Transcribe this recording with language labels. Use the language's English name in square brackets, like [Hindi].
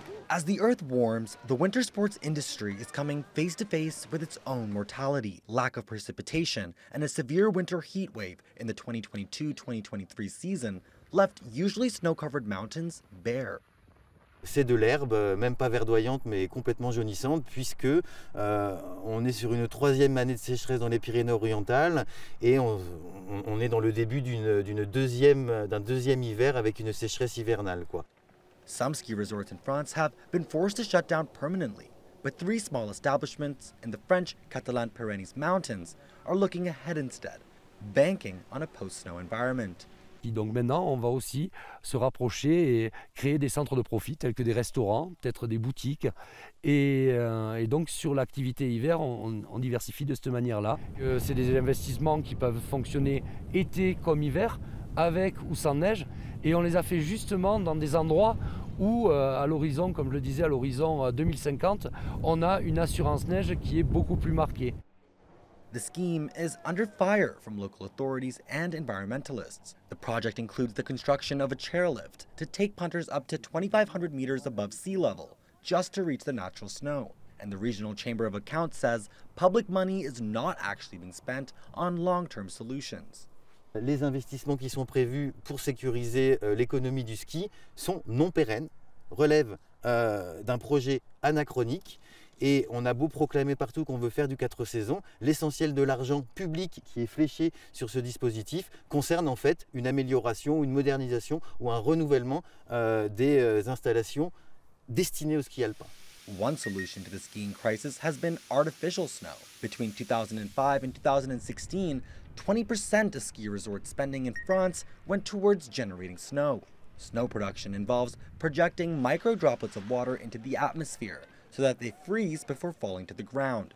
[English] As the earth warms, the winter sports industry is coming face-to-face with its own mortality, lack of precipitation, and a severe winter heat wave in the 2022-2023 season left usually snow-covered mountains bare. [French] C'est de l'herbe, même pas verdoyante, mais complètement jaunissante, puisque on est sur une troisième année de sécheresse dans les Pyrénées-Orientales et on est dans le début d'un deuxième hiver avec une sécheresse hivernale, quoi. [English] Some ski resorts in France have been forced to shut down permanently, but three small establishments in the French Catalan Pyrenees mountains are looking ahead instead, banking on a post-snow environment. [French] Donc maintenant, on va aussi se rapprocher et créer des centres de profit tels que des restaurants, peut-être des boutiques. Et donc sur l'activité hiver, on diversifie de cette manière-là. C'est des investissements qui peuvent fonctionner été comme hiver, avec ou sans neige. Et on les a fait justement dans des endroits où, à l'horizon, comme je le disais, à l'horizon 2050, on a une assurance neige qui est beaucoup plus marquée. [English] The scheme is under fire from local authorities and environmentalists. The project includes the construction of a chairlift to take punters up to 2,500 meters above sea level, just to reach the natural snow. And the regional chamber of accounts says public money is not actually being spent on long-term solutions. [French] Les investissements qui sont prévus pour sécuriser l'économie du ski sont non pérennes, relèvent d'un projet anachronique. Et on a beau proclamer partout qu'on veut faire du quatre saisons, l'essentiel de l'argent public qui est fléché sur ce dispositif concerne en fait une amélioration, une modernisation ou un renouvellement des installations destinées au ski alpin. [English] One solution to the skiing crisis has been artificial snow. Between 2005 and 2016, 20% of ski resort spending in France went towards generating snow. Snow production involves projecting micro droplets of water into the atmosphere, so that they freeze before falling to the ground.